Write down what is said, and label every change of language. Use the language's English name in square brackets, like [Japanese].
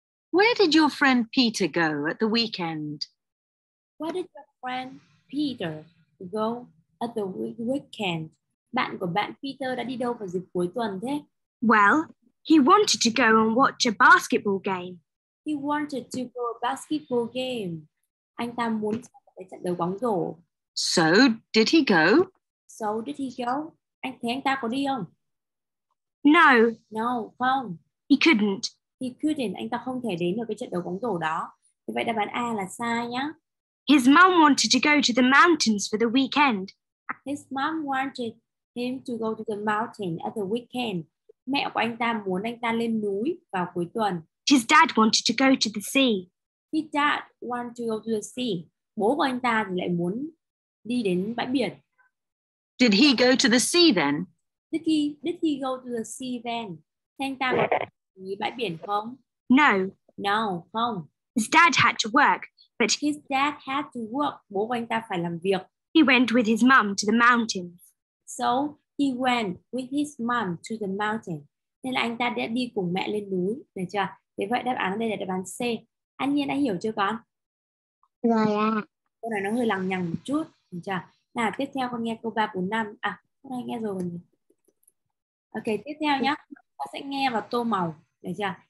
[English] Where did your friend Peter go at the weekend? Where did your friend Peter go at the weekend? [Vietnamese] Bạn của bạn Peter đã đi đâu vào dịp cuối tuần thế? [English] Well, he wanted to go and watch a basketball game. He wanted to go to a basketball game. [Vietnamese] Anh ta muốn xem trận đấu bóng rổ. [English] So, did he go? So did he go? [Vietnamese] Anh thấy anh ta có đi không? [English] No. No, [Vietnamese] không. [English] He couldn't. He couldn't. [Vietnamese] Anh ta không thể đến được cái trận đấu bóng rổ đó. Thì vậy đáp án A là sai nhá. [English] His mom wanted to go to the mountains for the weekend. His mom wanted him to go to the mountain at the weekend. [Vietnamese] Mẹ của anh ta muốn anh ta lên núi vào cuối tuần. [English] His dad wanted to go to the sea. His dad wanted to go to the sea. [Vietnamese] Bố của anh ta thì lại muốn đi đến bãi biển. [English] Did he go to the sea then? Did he go to the sea then? [Vietnamese] Anh ta có đi bãi biển không? [English] No. No, [Vietnamese] không. [English] His dad had to work. But his dad had to work. [Vietnamese] Bố của anh ta phải làm việc. [English] He went with his mom to the mountains. So he went with his mom to the mountain. [Vietnamese] Nên là anh ta đã đi cùng mẹ lên núi. Được chưa? Thế vậy đáp án đây là đáp án C. Anh Nhiên đã hiểu chưa con? Rồi ạ. Cô này nó hơi lằng nhằng một chút. Được chưa? Nào tiếp theo con nghe câu 3, 4, 5. À, con nghe rồi. Ok, tiếp theo nhá. Con sẽ nghe và tô màu. Được chưa?